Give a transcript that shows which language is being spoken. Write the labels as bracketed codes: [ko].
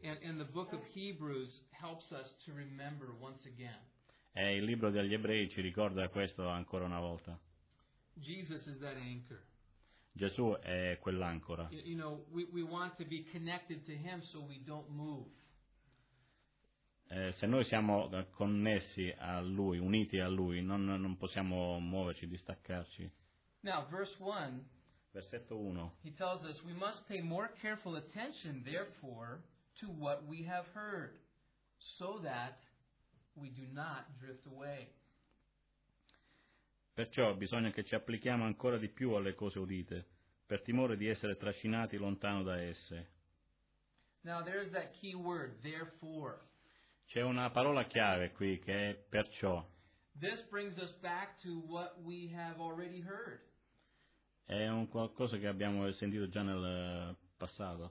[en] And the book of Hebrews helps us to remember once again. [it] E il libro degli Ebrei ci ricorda questo ancora una volta. [en] Jesus is that anchor. [it] Gesù è quell'ancora. [en] You know, we want to be connected to him so we don't move. [it] Se noi siamo connessi a lui, uniti a lui, non possiamo muoverci, distaccarci. [en] Now, verse 1. [it] Versetto 1. [en] He tells us we must pay more careful attention therefore to what we have heard so that we do not drift away. [it] Perciò bisogna che ci applichiamo ancora di più alle cose udite, per timore di essere trascinati lontano da esse. [en] Now, there's that key word, therefore. [it] C'è una parola chiave qui che è perciò. [en] This brings us back to what we have already heard. [it] È un qualcosa che abbiamo sentito già nel passato.